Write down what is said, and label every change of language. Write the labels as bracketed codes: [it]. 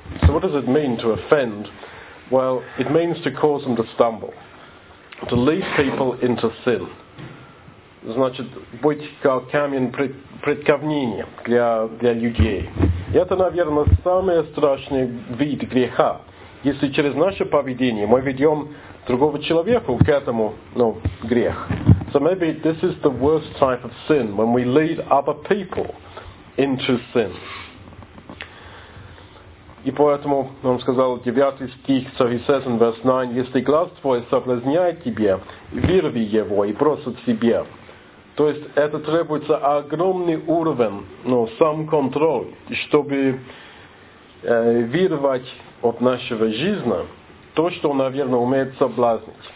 [en] So what does it mean to offend? Well, it means to cause them to stumble, to lead people into sin. [ru] Значит, быть как камень преткновения для людей. И это, наверное, самый страшный вид греха. Если через наше поведение мы ведем другого человека к этому, грех. [en] So maybe this is the worst type of sin, when we lead other people into sin. [ru] И поэтому он сказал 9 стих, [en] so he says in verse 9, [ru] если глаз твой соблазняет тебя, вырви его и брось от себя. То есть это требуется огромный уровень, самоконтроль, чтобы вырвать от нашего жизни то, что, наверное, умеет соблазнить.